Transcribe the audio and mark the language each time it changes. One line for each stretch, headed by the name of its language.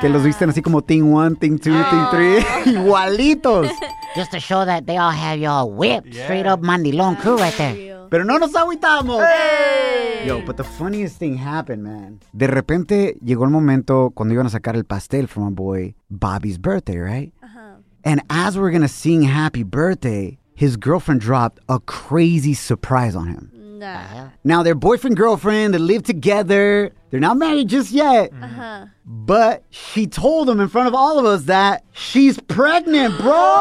Spanish: Que los visten así como Team 1, Team 2, Team 3. Igualitos.
English: Just to show that they all have y'all whipped. Yeah. Straight up mandilón crew right there.
Spanish: Pero no nos agüitamos.
English: Hey. Yo, but the funniest thing happened, man.
Spanish: De repente llegó el momento cuando iban a sacar el pastel
English: for my boy Bobby's birthday, right? And as we're going to sing happy birthday, his girlfriend dropped a crazy surprise on him. Now, their boyfriend-girlfriend, they live together. They're not married just yet. But she told him in front of all of us that she's pregnant, bro.